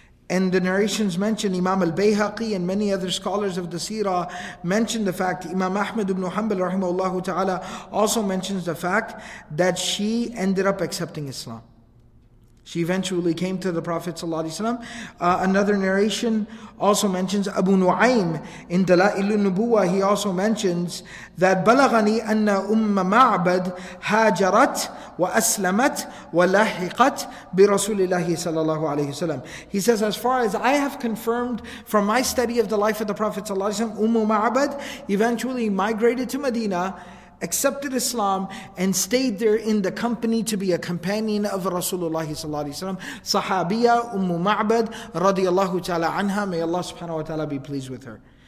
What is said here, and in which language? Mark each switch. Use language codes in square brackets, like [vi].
[en] And the narrations mention Imam al-Bayhaqi and many other scholars of the Seerah mention the fact, Imam Ahmad ibn Hanbal rahimahullah ta'ala also mentions the fact that she ended up accepting Islam. She eventually came to the Prophet sallallahu alaihi wasallam. Another narration also mentions Abu Nu'aym in Dala'il al-Nubuwa. He also mentions that [ar] بَلَغَنِي أَنَّ أُمَّ مَعْبَدْ هَاجَرَتْ وَأَسْلَمَتْ وَلَحِقَتْ بِرَسُولِ اللَّهِ صَلَى اللَّهُ عَلَيْهِ وَسَلَّمَ. [en] He says, as far as I have confirmed from my study of the life of the Prophet sallallahu alaihi wasallam, Ummu Ma'bad eventually migrated to Medina, accepted Islam, and stayed there in the company to be a companion of Rasulullah sallallahu alaihi wasallam. Sahabiya Ummu Ma'bad radiyallahu ta'ala anha, may Allah subhanahu wa ta'ala be pleased with her.